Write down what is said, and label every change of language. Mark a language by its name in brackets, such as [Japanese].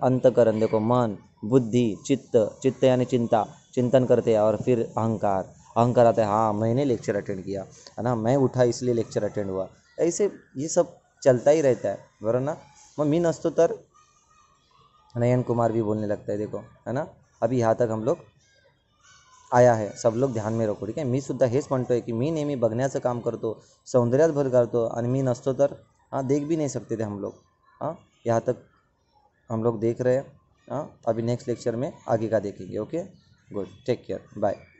[Hindi] अंतकरण देखो, मन, बुद्धि, चित्त, चित्त यानी चिंता, चिंतन करते हैं और फिर अहंकार, अहंकार आता है हाँ मैंने लेक्चर अटेंड किया, है ना, मैं उठा इसलिए लेक्चर अटेंड हुआ, ऐसे ये सब चलता ही रहता है, बरो ना। मैं मीन अस्तोतर नयन कुमार भी बोलने लगता है देखो, है ना, अभी यहाँ तक हम लोग आया है, सब लोग ध्यान में रखो ठीक है। [Marathi] मी सुद्धा हेच म्हणतो आहे की मी नेहमी बघण्याचं काम करतो, सौंदर्यात भर घालतो, आणि मी नसतो तर [Hindi] देख भी नाही सकते थे हम लोग। यहाँ तक हम लोग देख रहे हैं, अभी नेक्स्ट लेक्चर में आगे का देखेंगे। Okay, good, take care, bye.